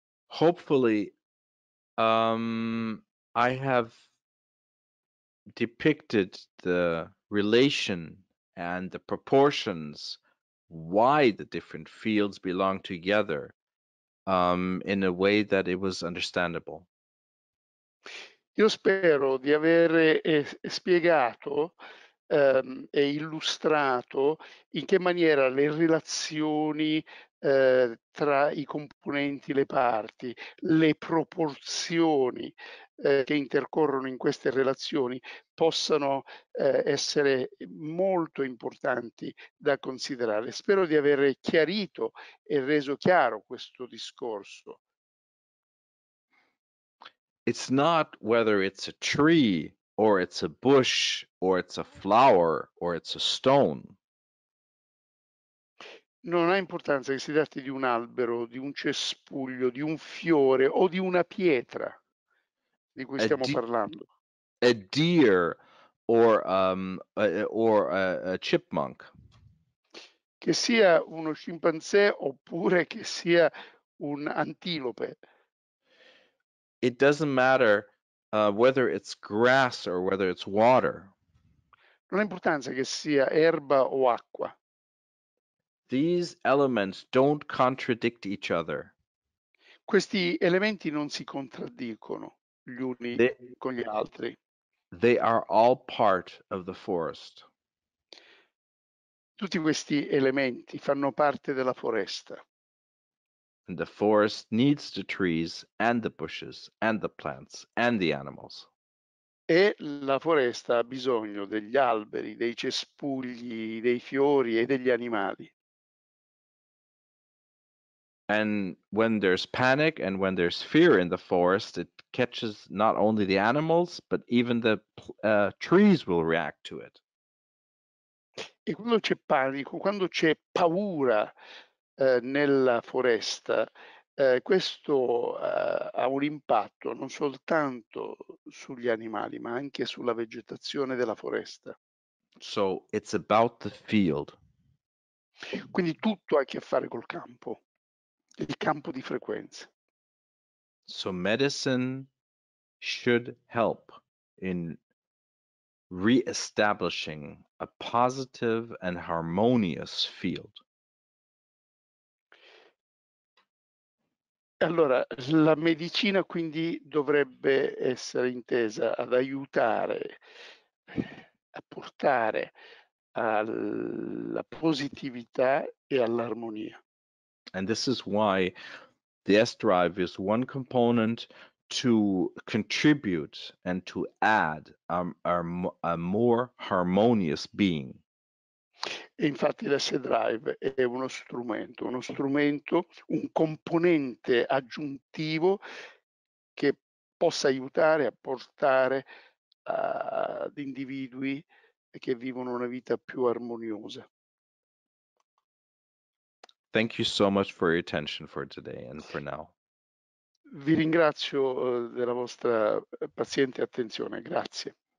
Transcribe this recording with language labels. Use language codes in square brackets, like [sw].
[en] Hopefully, I have depicted the relation and the proportions, why the different fields belong together, in a way that it was understandable. [it] Io spero di avere spiegato e illustrato in che maniera le relazioni tra i componenti, le parti, le proporzioni che intercorrono in queste relazioni possano essere molto importanti da considerare. Spero di aver chiarito e reso chiaro questo discorso. [en] It's not whether it's a tree or it's a bush or it's a flower or it's a stone. [it] Non ha importanza che si tratti di un albero, di un cespuglio, di un fiore o di una pietra di cui stiamo parlando. [en] A deer or a chipmunk. [it] Che sia uno scimpanzé oppure che sia un antilope. [en] It doesn't matter whether it's grass or whether it's water. [it] Non ha importanza che sia erba o acqua. [en] These elements don't contradict each other. [it] Questi elementi non si contraddicono gli uni con gli altri. [en] They are all part of the forest. [it] Tutti questi elementi fanno parte della foresta. [en] And the forest needs the trees and the bushes and the plants and the animals. [it] E la foresta ha bisogno degli alberi, dei cespugli, dei fiori e degli animali. [en] And when there's panic and when there's fear in the forest, it catches not only the animals, but even the trees will react to it. [it] E quando c'è panico, quando c'è paura nella foresta, questo ha un impatto non soltanto sugli animali, ma anche sulla vegetazione della foresta. [en] So it's about the field. [it] Quindi tutto ha a che fare col campo, il campo di frequenza. [en] So medicine should help in re-establishing a positive and harmonious field. [it] Allora, la medicina quindi dovrebbe essere intesa ad aiutare a portare alla positività e all'armonia. [en] And this is why the S-drive is one component to contribute and to add a more harmonious being. [it] E infatti l'S-drive è uno strumento, un componente aggiuntivo che possa aiutare a portare ad individui che vivono una vita più armoniosa. [en] Thank you so much for your attention for today and for now. [it] Vi ringrazio della vostra paziente attenzione. Grazie.